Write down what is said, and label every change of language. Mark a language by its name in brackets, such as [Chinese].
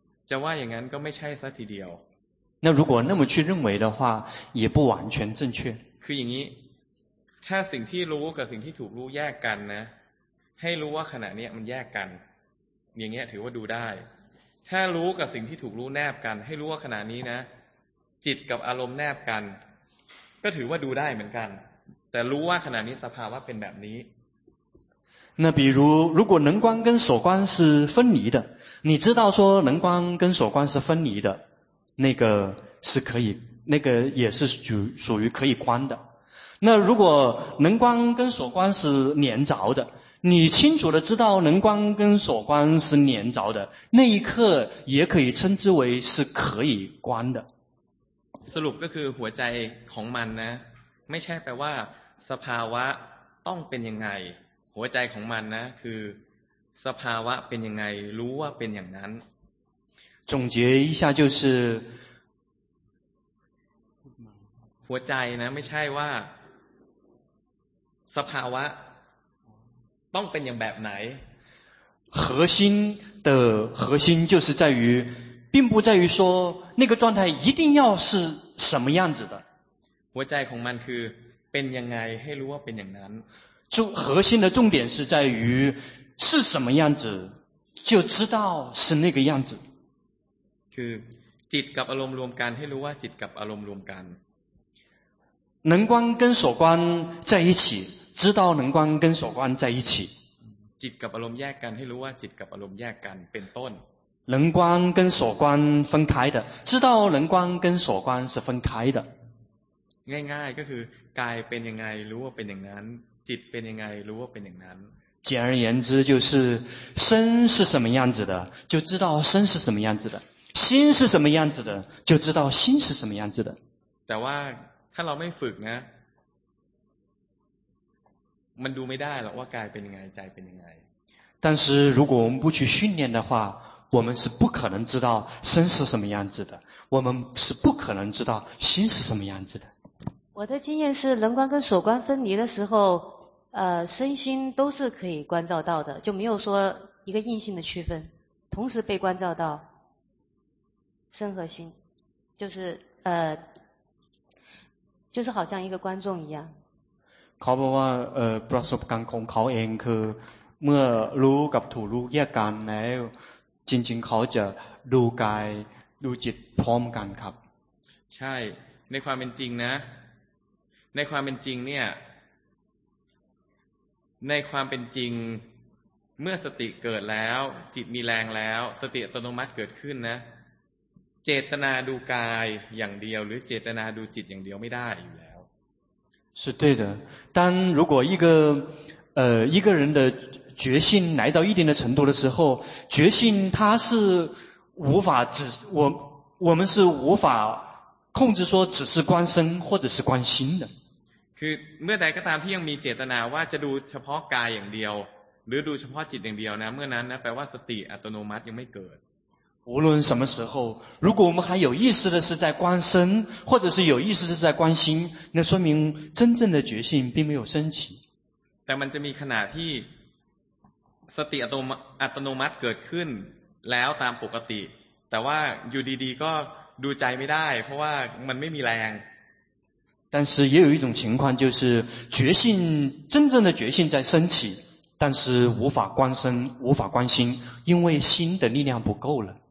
[Thai] จะว่าอย่างนั้นก็ไม่ใช่ซะทีเดียว [Chinese] 那如果那么去认为的话也不完全正确 [Thai] คืออย่างนี้ถ้าสิ่งที่รู้กับสิ่งที่ถูกรู้แยกกันนะให้รู้ว่าขณะนี้มันแยกกันอย่างเงี้ยถือว่าดูได้ถ้ารู้กับสิ่งที่ถูกรู้แนบกันให้รู้ว่าขณะนี้นะจิตกับอารมณ์แนบกันก็ถือว่าดูได้เหมือนกันแต่รู้ว่าขณะนี้สภาวะเป็นแบบนี้ [Chinese] 那比如如果能观跟所观是分离的你知道说能观跟所观是分离的那个是可以那个也是属于可以观的那如果能观跟所观是连着的你清楚的知道能观跟所观是连着的那一刻也可以称之为是可以观的 [Thai] สรุปก็คือหัวใจของมันนะไม่ใช่แปลว่าสภาวะต้องเป็นยังไงหัวใจของมันนะคือสภาวะเป็นยังไงรู้ว่าเป็นอย่างนั้น [Chinese] 总结一下就是 [Thai] หัวใจนะไม่ใช่ว่าสภาวะต้องเป็นอย่างแบบไหน [Chinese] 核心的核心就是在于并不在于说那个状态一定要是什么样子的 [Thai] หัวใจของมันคือเป็นยังไงให้รู้ว่าเป็นอย่างนั้น [Chinese] 核心的重点是在于是什么样子就知道是那个样子。 [Thai] คือจิตกับอารมณ์รวมกันให้รู้ว่าจิตกับอารมณ์รวมกัน [Chinese] 能观跟所观在一起，知道能观跟所观在一起。 [Thai] จิตกับอารมณ์แยกกันให้รู้ว่าจิตกับอารมณ์แยกกันเป็นต้น [Chinese] 能观跟所观分开的，知道能观跟所观是分开的。 [Thai] ง่ายๆก็คือกายเป็นยังไงรู้ว่าเป็นอย่างนั้นจิตเป็นยังไงรู้ว่าเป็นอย่างนั้น [Chinese] 简而言之就是身是什么样子的就知道身是什么样子的心是什么样子的就知道心是什么样子的 [Thai] แต่ว่าถ้าเราไม่ฝึกนะมันดูไม่ได้หรอกว่ากายเป็นยังไงใจเป็นยังไง [Chinese] 但是如果我们不去训练的话我们是不可能知道身是什么样子的我们是不可能知道心是什么样子的我的经验是能观跟所观分离的时候身心都是可以关照到的就没有说一个硬性的区分同时被关照到身和心就是好像一个观众一样 [Thai] เขาบอกว่าประสบการณ์ของเขาเองคือเมื่อรู้กับถูกรู้แยกกันแล้วจริงๆเขาจะดูกายดูจิตพร้อมกันครับ ใช่ในความเป็นจริงนะในความเป็นจริงเนี่ยในความเป็นจริงเมื่อสติเกิดแล้วจิตมีแรงแล้วสติอัตโนมัติเกิดขึ้นนะเจตนาดูกายอย่างเดียวหรือเจตนาดูจิตอย่างเดียวไม่ได้อยู่แล้ว [Chinese] 是对的但如果一个人的决心来到一定的程度的时候决心它是无法只我们是无法控制说只是观身或者是观心的 [Thai] คือเมื่อใดก็ตามที่ยังมีเจตนาว่าจะดูเฉพาะกายอย่างเดียวหรือดูเฉพาะจิตอย่างเดียวนะเมื่อนั้นนะแปลว่าสติอัตโนมัติยังไม่เกิด [Chinese] 无论什么时候如果我们还有意识的是在观身或者是有意识的是在观心那说明真正的决心并没有升起 [Thai] แต่มันจะมีขณะที่สติอัตโนมัติเกิดขึ้นแล้วตามปกติแต่ว่าอยู่ดีๆก็ดูใจไม่ได้เพราะว่ามันไม่มีแรง [Chinese] 但是也有一种情况就是觉性真正的觉性在升起但是无法观身无法观心因为心的力量不够